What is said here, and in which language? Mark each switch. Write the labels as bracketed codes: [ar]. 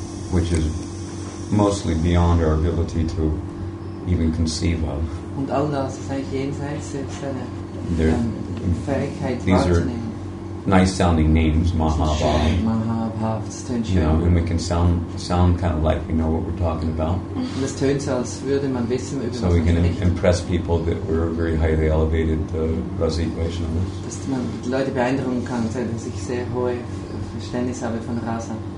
[en] Which is mostly beyond our ability to even conceive of. [de] Und all das ist eigentlich jenseits selbst einer Fähigkeit wahrzunehmen. [en] Nice sounding names, Mahabhav. [de] Mahabhav, das tönt schön. [en] You know, and we can sound kind of like we know what we're talking about. [de] Und das tönt so, als würde man wissen, über was [en] so we can impress people that we're very highly elevated Rasik Vaishnavas. [de] Dass man Leute beeindrucken kann, dass ich sehr hohe Verständnis habe von Rasa.